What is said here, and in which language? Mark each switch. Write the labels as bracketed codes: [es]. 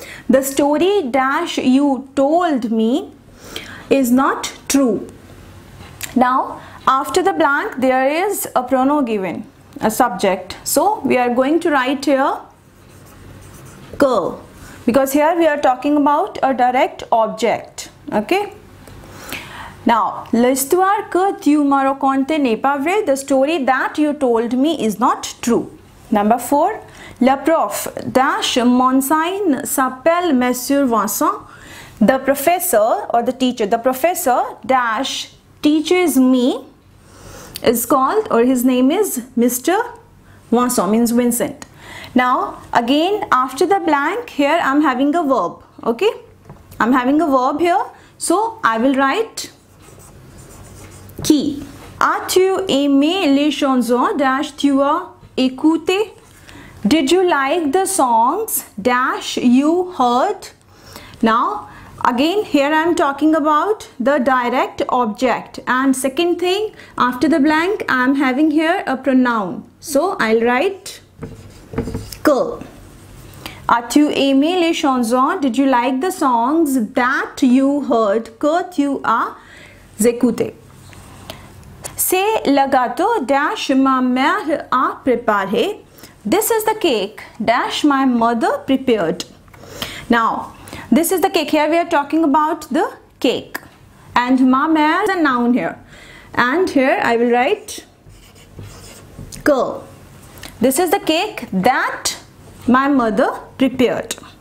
[en] The story dash you told me is not true. Now, After the blank, there is a pronoun given, a subject. So we are going to write here girl, because here we are talking about a direct object. Okay. [fr] Now, l'histoire que tu m'as racontée n'est pas vraie. [en] The story that you told me is not true. Number 4. [fr] La prof dash monsign s'appelle Monsieur Vincent. [en] The professor or the teacher, the professor dash teaches me is called, or his name is Mr. Vincent, means Vincent. Now, again, after the blank, here I'm having a verb. Okay. I'm having a verb here. So, I will write qui. [fr] As-tu aimé les chansons dash tu as écouté? [en] Did you like the songs dash you heard? Now, again, here I am talking about the direct object. And second thing, after the blank, I am having here a pronoun. So, I'll write que. [fr] As-tu aimé les chansons? [en] Did you like the songs that you heard? [fr] Que tu as écouté? C'est le gâteau dash ma mère a préparé. [en] This is the cake dash my mother prepared. Now, this is the cake. Here we are talking about the cake. And ma mère is a noun here. And here I will write que. This is the cake that my mother prepared.